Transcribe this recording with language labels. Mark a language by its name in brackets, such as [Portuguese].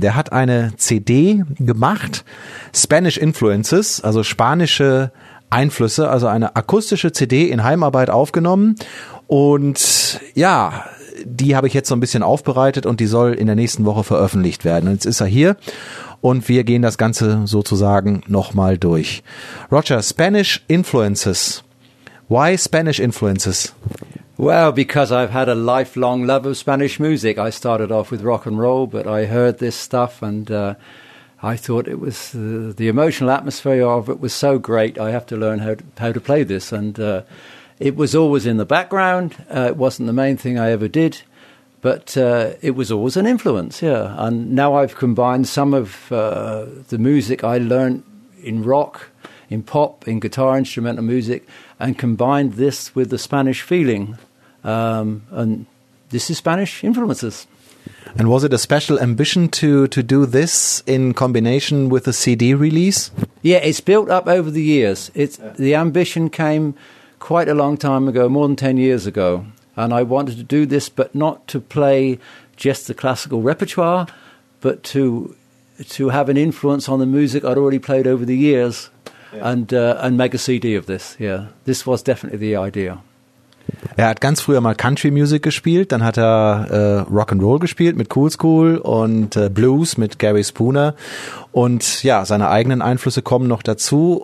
[German] Der hat eine CD gemacht, Spanish Influences, also spanische Einflüsse, also eine akustische CD in Heimarbeit aufgenommen. Und ja, die habe ich jetzt so ein bisschen aufbereitet und die soll in der nächsten Woche veröffentlicht werden. Und jetzt ist er hier und wir gehen das Ganze sozusagen nochmal durch. [English] Roger, Spanish Influences. Why Spanish influences? Well, because I've had a lifelong love of Spanish music. I started off with rock and roll, but I heard this stuff and I thought it was the emotional atmosphere of it was so great. I have to learn how to play this. And it was always in the background. It wasn't the main thing I ever did, but it was always an influence, yeah. And now I've combined some of the music I learned in rock, in pop, in guitar, instrumental music, and combined this with the Spanish feeling. And this is Spanish influences. And was it a special ambition to do this in combination with a CD release? Yeah, it's built up over the years. The ambition came quite a long time ago, more than 10 years ago. And I wanted to do this, but not to play just the classical repertoire, but to have an influence on the music I'd already played over the years. And make a CD of this, yeah. This was definitely the idea. [German] Er hat ganz früher mal Country Music gespielt, dann hat er Rock'n'Roll gespielt mit Cool School und Blues mit Gary Spooner. Und ja, seine eigenen Einflüsse kommen noch dazu.